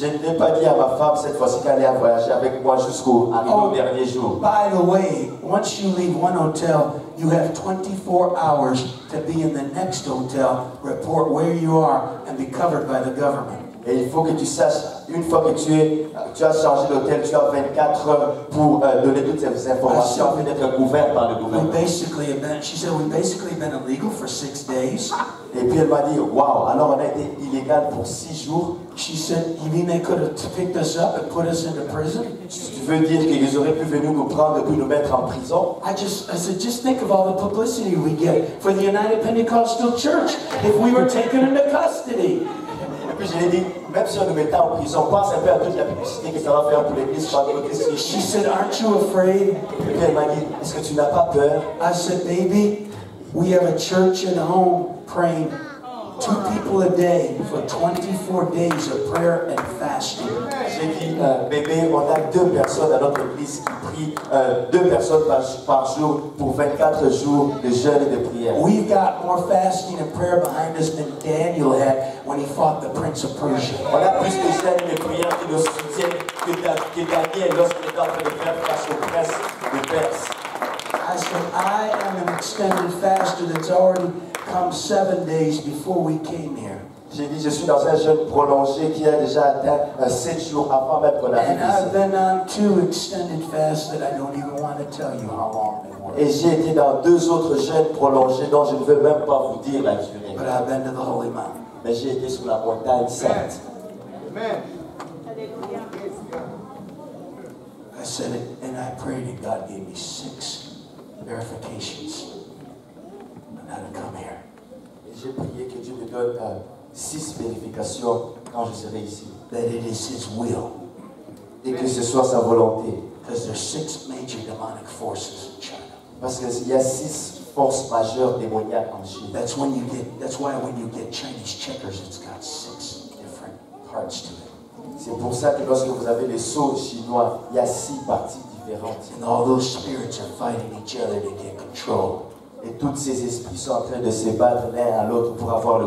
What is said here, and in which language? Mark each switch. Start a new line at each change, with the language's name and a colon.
French: Je n'ai pas dit à ma femme cette fois-ci qu'elle allait voyager avec moi jusqu'au dernier jour.
English: By the way, once you leave one hotel, you have 24 hours to be in the next hotel, report where you are, and be covered by the government.
French: Et il faut que tu saches, une fois que tu as changé d'hôtel, tu as 24 heures pour donner toutes ces informations afin d'être couvert par le gouvernement.
English: We've basically been illegal for 6 days.
French: Et puis elle m'a dit, wow, alors on a été illégal pour 6 jours.
English: She said, you mean they could have picked us up and put us into prison?
French: Tu veux dire qu'ils auraient pu venir nous prendre et puis nous mettre en prison?
English: I said, just think of all the publicity we get for the United Pentecostal Church if we were taken into custody.
French: Je lui ai dit, même si on nous mettait en prison, pense un peu à toute la publicité que ça va faire pour l'église par le Christ.
English: She said, aren't you afraid?
French: Et puis elle m'a dit, est-ce que tu n'as pas peur?
English: I said, baby, we have a church at home praying 2 people a day for 24 days of prayer and fasting.
French: J'ai j'ai dit, bébé, on a deux personnes à notre église qui prient deux personnes par jour pour 24 jours de jeûne et de prière.
English: We've got more fasting and prayer behind us than Daniel had when he fought the prince of Persia.
French: On a plus de jeûne et de prière qui nous soutient que Daniel lorsqu'il est en train de faire face au prince de Perse.
English: I said, I am an extended faster that's already come 7 days before we came here.
French: J'ai dit, je suis dans un jeûne prolongé qui a déjà atteint 7 jours avant même qu'on arrive ici.
English: And I've been on two extended fasts that I don't even want to tell you how long they were.
French: Et j'ai été dans deux autres jeûnes prolongés dont je ne veux même pas vous dire la durée.
English: But I've been to the Holy Mountain.
French: Mais j'ai été sur la montagne sainte.
English: Amen. I said it, and I prayed, and God gave me 6 verifications on how to come here.
French: Et j'ai prié que Dieu me donne 6 vérifications quand je serai ici.
English: That it is His will.
French: Et que ce soit sa volonté.
English: Because there are 6 major demonic forces in China.
French: Parce qu'il y a 6 forces majeures démoniaques en Chine.
English: That's when you get. That's why when you get Chinese checkers, it's got 6 different parts to it.
French: C'est pour ça que lorsque vous avez les sceaux chinois, il y a 6 parties différentes.
English: And all those spirits are fighting each other to get control.
French: Et tous ces esprits sont en train de se battre l'un à l'autre pour avoir le